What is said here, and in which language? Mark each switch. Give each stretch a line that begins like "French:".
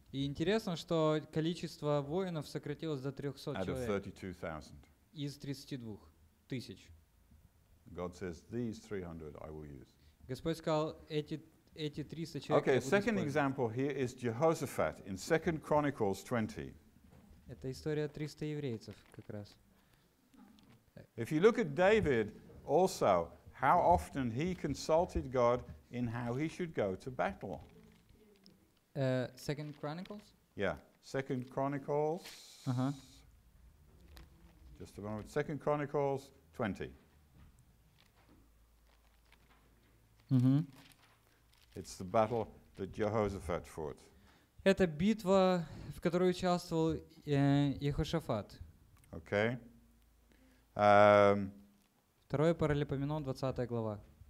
Russian: И интересно, что количество воинов сократилось до 300 человек.
English: Out of 32,000.
Russian: Из 32 тысяч.
English: God says, these 300 I will use.
Russian: Господь сказал, эти 300 человек.
English: Okay, second example here is Jehoshaphat in 2 Chronicles 20.
Russian: Это история 300 еврейцев как раз.
English: If you look at David also, how often he consulted God in how he should go to battle. 2 Chronicles? Yeah, 2 Chronicles. Uh-huh. Just a moment. 2 Chronicles 20. Mm-hmm. It's the battle that Jehoshaphat fought.
Russian: Это битва, в которой участвовал Иехошафат.
English: Okay.
Russian: Второе Паралипоменон, 20 глава.